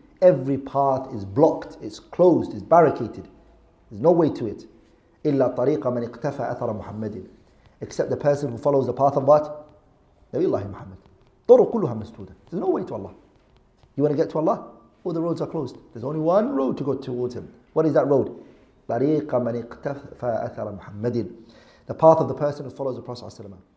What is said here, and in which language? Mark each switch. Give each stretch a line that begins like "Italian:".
English: Every path is blocked, it's closed, it's barricaded. There's no way to it.
Arabic: إلا طريق من اقتفى أثر محمد.
English: Except the person who follows the path of what?
Arabic: نبي الله محمد. طرق كلها مسدودة.
English: There's no way to Allah. You want to get to Allah? All the roads are closed. There's only one road to go towards him. What is that road?
Arabic: طريق من اقتفى أثر محمد.
English: The path of the person who follows the Prophet ﷺ.